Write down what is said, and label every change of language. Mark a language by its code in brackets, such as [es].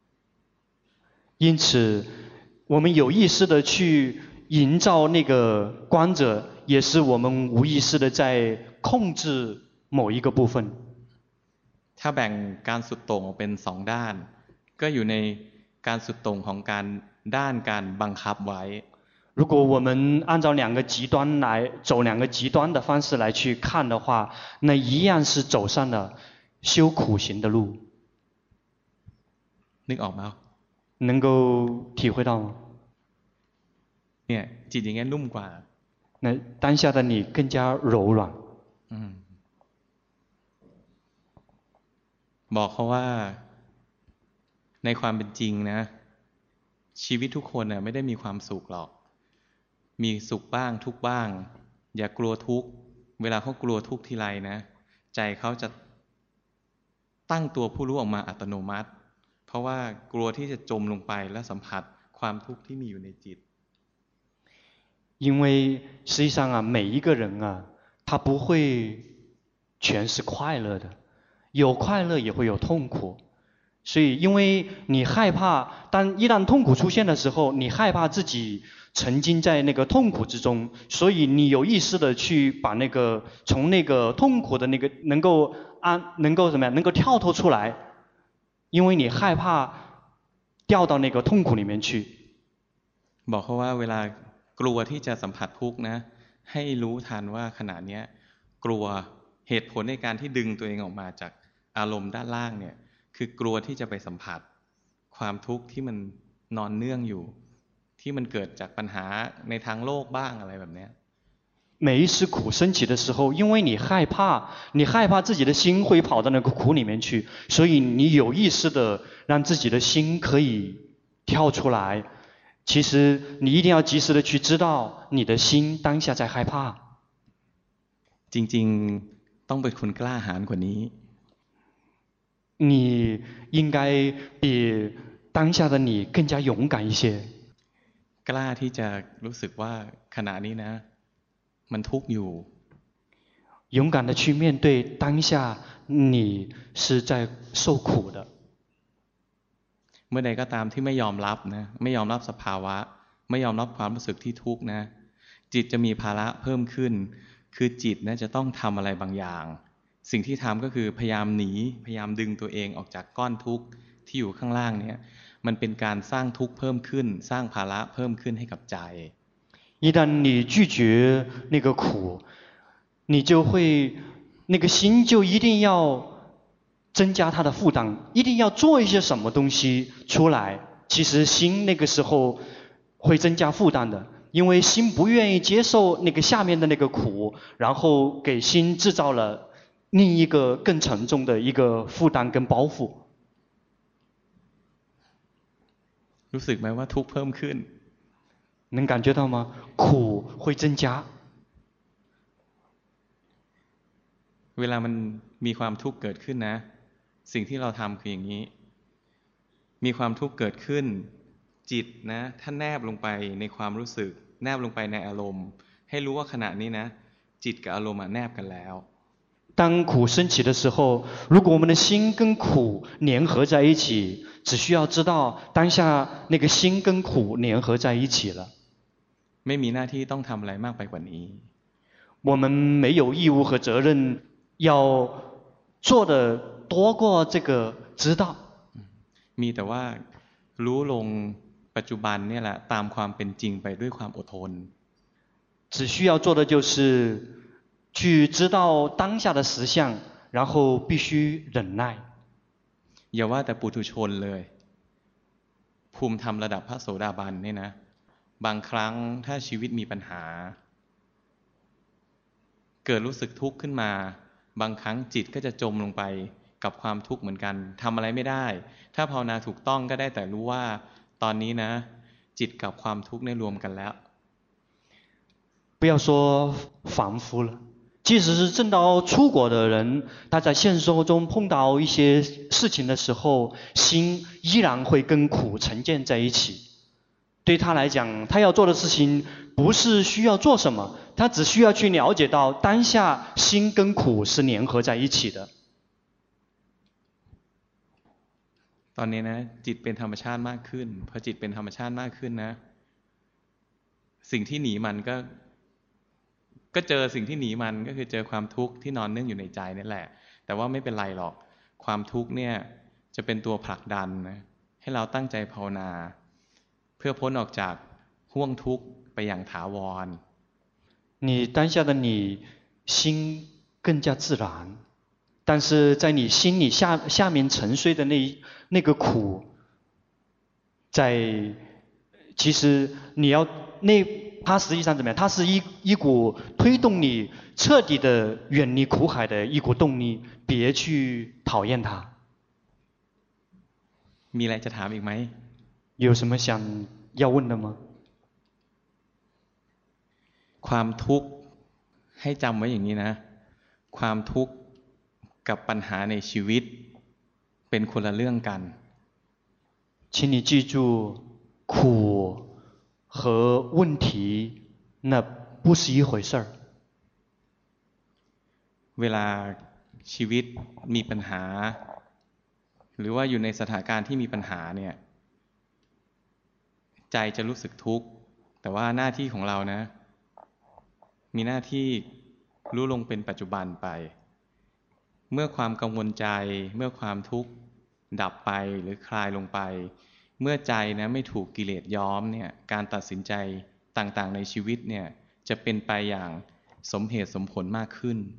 [zh] 因此我们有意识的去营造那个观者也是我们无意识的在控制某一个部分 [th] ถ้าแบ่งการสุดโต่งออกเป็น2ด้านก็อยู่ในการสุดโต่งของการด้านการบังคับไว้ [zh] 如果我们按照两个极端来走两个极端的方式来去看的话那一样是走上了修苦行的路 [th] นึกออกไหม [zh] 能够体会到吗 [th] เนี่ยจิตอย่างนี้นุ่มกว่า [zh] 那当下的你更加柔软 [th] บอกเขาว่าในความเป็นจริงนะชีวิตทุกคนน่ะไม่ได้มีความสุขหรอกมีสุขบ้างทุกบ้างอย่ากลัวทุกเวลาเขากลัวทุกทีไรนะใจเขาจะตั้งตัวผู้รู้ออกมาอัตโนมัติเพราะว่ากลัวที่จะจมลงไปและสัมผัสความทุกข์ที่มีอยู่ในจิต [zh] 因为实际上啊每一个人啊它不会全是快乐的，有快乐也会有痛苦。所以因为你害怕，当一旦痛苦出现的时候，你害怕自己曾经在那个痛苦之中，所以你有意识的去把那个从那个痛苦的那个能够跳脱出来，因为你害怕掉到那个痛苦里面去。 [th] บอกเขาว่าเวลากลัวที่จะสัมผัสทุกข์นะให้รู้ทันว่าขณะนี้กลัวเหตุผลในการที่ดึงตัวเองออกมาจากอารมณ์ด้านล่างเนี่ยคือกลัวที่จะไปสัมผัสความทุกข์ที่มันนอนเนื่องอยู่ที่มันเกิดจากปัญหาในทางโลกบ้างอะไรแบบนี้ [zh] 每一次苦升起的时候因为你害怕你害怕自己的心会跑到那个苦里面去所以你有意识的让自己的心可以跳出来其实你一定要及时的去知道你的心当下在害怕 [th] จริงๆต้องเป็นคนกล้าหาญกว่านี้ [zh] 你应该比当下的你更加勇敢一些。 [th] กล้าที่จะรู้สึกว่าขณะนี้นะมันทุกข์อยู่。 [zh] 勇敢的去面对当下你是在受苦的。 [th] เมื่อใดก็ตามที่ไม่ยอมรับนะไม่ยอมรับสภาวะไม่ยอมรับความรู้สึกที่ทุกข์นะจิตจะมีภาระเพิ่มขึ้นคือจิตนะจะต้องทำอะไรบางอย่างสิ่งที่ทำก็คือพยายามหนีพยายามดึงตัวเองออกจากก้อนทุกข์ที่อยู่ข้างล่างเนี่ยมันเป็นการสร้างทุกข์เพิ่มขึ้นสร้างภาระเพิ่มขึ้นให้กับใจ [zh] 一旦你拒绝那个苦你就会那个心就一定要增加它的负担一定要做一些什么东西出来其实心那个时候会增加负担的因为心不愿意接受那个下面的那个苦然后给心制造了另一个更沉重的一个负担跟包袱。 [th] รู้สึกไหมว่าทุกข์เพิ่มขึ้น [zh] 能感觉到吗？苦会增加。 [th] เวลามันมีความทุกข์เกิดขึ้นนะสิ่งที่เราทำคืออย่างนี้มีความทุกข์เกิดขึ้นจิตนะถ้าแนบลงไปในความรู้สึกแนบลงไปในอารมณ์ให้รู้ว่าขณะนี้นะจิตกับอารมณ์แนบกันแล้ว [zh] 当苦升起的时候如果我们的心跟苦粘合在一起只需要知道当下那个心跟苦粘合在一起了 [th] ไม่มีหน้าที่ต้องทำอะไรมากไปกว่านี้ [zh] 我们没有义务和责任要做的多过这个知道 [th] มีแต่ว่ารู้ลงปัจจุบันเนี่ยแหละตามความเป็นจริงไปด้วยความอดทน [zh] 只需要做的就是去知道当下的实相然后必须忍耐 [th] อย่าว่าแต่ปุถุชนเลยภูมิธรรมระดับพระโสดาบันเนี่ยนะบางครั้งถ้าชีวิตมีปัญหาเกิดรู้สึกทุกข์ขึ้นมาบางครั้งจิตก็จะจมลงไปกับความทุกข์เหมือนกันทำอะไรไม่ได้ถ้าภาวนาถูกต้องก็ได้แต่รู้ว่าตอนนี้นะจิตกับความทุกข์เนี่ยรวมกันแล้ว [zh] 不要说凡夫了即使是正道出国的人他在现实生活中碰到一些事情的时候心依然会跟苦沉淀在一起对他来讲他要做的事情不是需要做什么他只需要去了解到当下心跟苦是粘合在一起的 [th] ตอนนี้นะจิตเป็นธรรมชาติมากขึ้นพอจิตเป็นธรรมชาติมากขึ้นนะสิ่งที่หนีมันก็เจอสิ่งที่หนีมันก็คือเจอความทุกข์ที่นอนเนื่องอยู่ในใจนี่แหละแต่ว่าไม่เป็นไรหรอกความทุกข์เนี่ยจะเป็นตัวผลักดันนะให้เราตั้งใจภาวนาเพื่อพ้นออกจากห้วงทุกข์ไปอย่างถาวร [zh] 你当下的你心更加自然但是在你心里下面沉睡的那个苦在其实你要那它实际上怎么样？它是一股推动你彻底的远离苦海的一股动力，别去讨厌它。 [th] มีอะไรจะถามอีกไหม？ [zh] 有什么想要问的吗？ [th] ความทุกข์ให้จำไว้อย่างนี้นะ。 ความทุกข์กับปัญหาในชีวิตเป็นคนละเรื่องกัน。 [zh] 请你记住，苦。和问题那不是一回事儿 [th] เวลาชีวิตมีปัญหาหรือว่าอยู่ในสถานการณ์ที่มีปัญหาเนี่ยใจจะรู้สึกทุกข์แต่ว่าหน้าที่ของเรานะมีหน้าที่รู้ลงเป็นปัจจุบันไปเมื่อความกังวลใจเมื่อความทุกข์ดับไปหรือคลายลงไปเมื่อใจนะไม่ถูกกิเลสย้อมเนี่ยการตัดสินใจต่างๆในชีวิตเนี่ยจะเป็นไปอย่างสมเหตุสมผลมากขึ้น